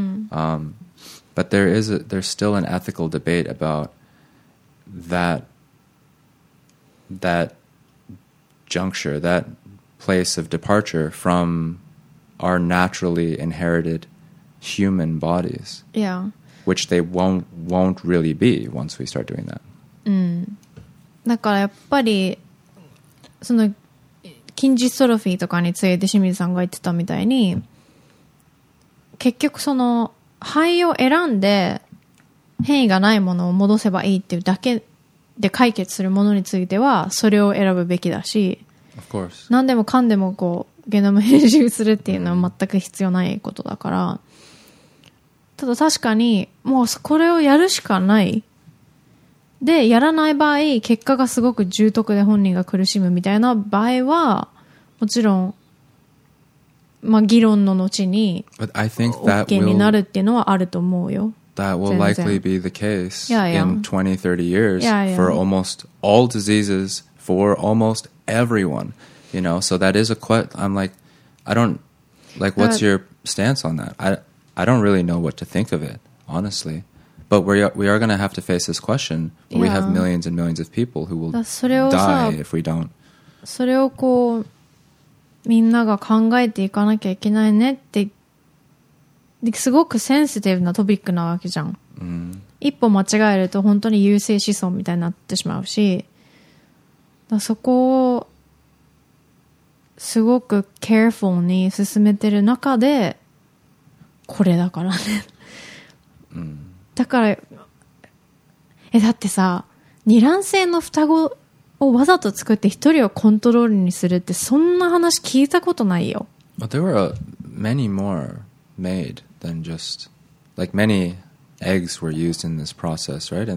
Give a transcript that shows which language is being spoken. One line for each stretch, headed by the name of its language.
English: But there's still an ethical debate about that juncture, that place of departure from our naturally inherited human bodies. Yeah. Which they won't really be once we start doing that.
Japanese: だからやっぱりその筋ジストロフィーとかについて清水さんが言ってたみたいに結局その肺を選んで変異がないものを戻せばいいっていうだけで解決するものについてはそれを選ぶべきだし
English: of course.
Japanese: 何でもかんでもこうゲノム編集するっていうのは全く必要ないことだから、ただ確かにもうこれをやるしかないで、やらない場合、結果がすごく重篤で本人が苦しむみたいな場合は、もちろん、まあ、議論の後に、
English: OK
Japanese: になるっていうのはあると思うよ。
English: That will likely be the case in 20, 30 years for almost all diseases, for almost everyone. You know, so that is a question. I'm like, I don't, like, what's your stance on that? I don't really know what to think of it, honestly. But we are going to have to face this question. Yeah. We have millions and millions of people who will die if we don't.
Japanese: それをこうみんなが考えていかなきゃいけないねってすごくセンシティブなトピックなわけじゃん。一歩間違えると本当に優生思想みたいになってしまうし、だそこをすごく careful に進めてる中でこれだからね。だからだってさ、二卵性の双子をわざと作って一人をコントロールにするってそんな話聞いたことないよ。
English: But there were many more made than just like many eggs were used in this process, right?